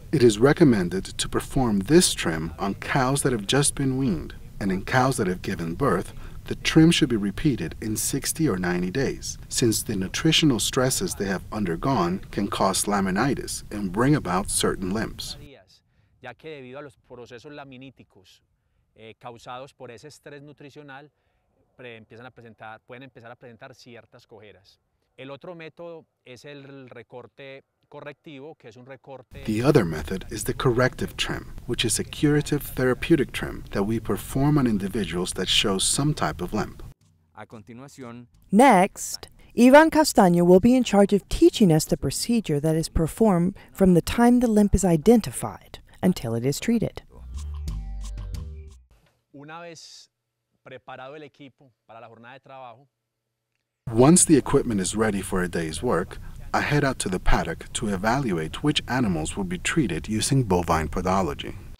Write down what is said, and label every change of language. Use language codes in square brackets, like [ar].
[en] It is recommended to perform this trim on cows that have just been weaned, and in cows that have given birth, the trim should be repeated in 60 or 90 days, since the nutritional stresses they have undergone can cause laminitis and bring about certain limps. [es] Ya que debido a los procesos laminíticos causados por ese estrés nutricional, pueden empezar a presentar ciertas cojeras. El otro método es el recorte correctivo, que es un recorte. [en] The other method is the corrective trim, which is a curative therapeutic trim that we perform on individuals that show some type of limp. [es] A continuación. [en] Next, Ivan Castaño will be in charge of teaching us the procedure that is performed from the time the limp is identified until it is treated. [es] Una vez preparado el equipo para la jornada de trabajo. [en] Once the equipment is ready for a day's work, I head out to the paddock to evaluate which animals will be treated using bovine podology.